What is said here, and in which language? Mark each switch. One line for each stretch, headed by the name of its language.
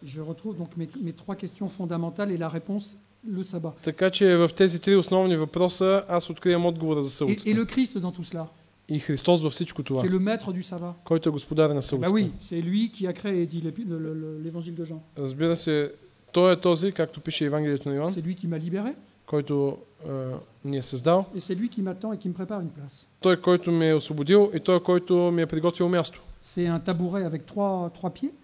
French: Je retrouve donc mes trois questions fondamentales et la réponse le sabbat.
Bulgarian: Така че в тези три основни въпроса аз откривам отговора за съботата.
French: Et le Christ dans tout cela.
Bulgarian: И Христос във всичко това.
French: C'est le maître du sabbat.
Bulgarian: Който е господар на съботата.
French: Bah oui, c'est lui qui a créé, dit l'évangile de Jean.
Bulgarian: Разбира се, той е този, както пише Евангелието на Йоан.
French: C'est lui qui m'a libéré.
Bulgarian: Който ни е създал.
French: Et c'est lui qui m'attend et qui me prépare une place.
Bulgarian: Той, който ме е освободил и той, който ми е приготвил място.
French: C'est un tabouret avec trois pieds.